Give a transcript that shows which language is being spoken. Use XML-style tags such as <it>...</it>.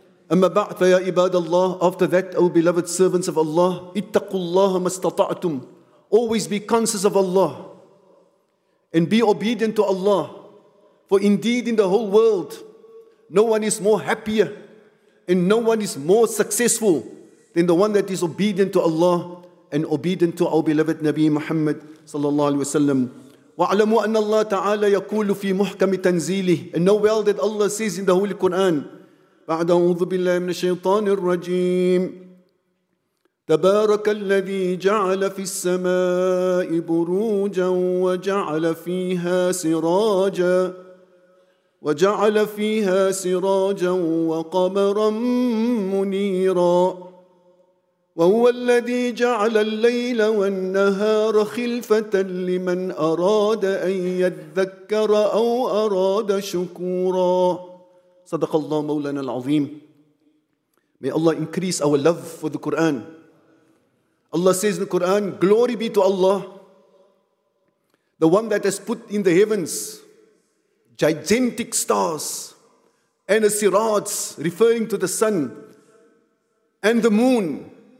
<ar>أما بعد فيا عباد الله,</ar> <en>after that, O beloved servants of Allah,</en> <ar>اتقوا الله ما استطعتم.</ar> <en>Always be conscious of Allah and be obedient to Allah. For indeed in the whole world, no one is more happier and no one is more successful than the one that is obedient to Allah and obedient to our beloved Nabi Muhammad sallallahu alayhi wa sallam.</en> <ar>وَعْلَمُوا أَنَّ اللَّهَ تَعَالَى يَقُولُ فِي مُحْكَمِ تَنْزِيلِهِ.</ar> <en>And know well that Allah says in the Holy Quran,</en> <ar>بَعْدَ أَعُوذُ بِاللَّهِ مِنَ الشَّيْطَانِ الرَّجِيمِ. تبارك الذي جعل في السماء بروجا وجعل فيها سراجا وجعل فيها سراجا وقمرا منيرا وهو الذي جعل الليل والنهار خلفة لمن أراد أن يذكر أو أراد شكورا. صدق الله مولانا العظيم.</ar> <en>May Allah increase our love for the Quran. Allah says in the Quran, glory be to Allah, the one that has put in the heavens gigantic stars and the sirats, referring to the sun and the moon.</en>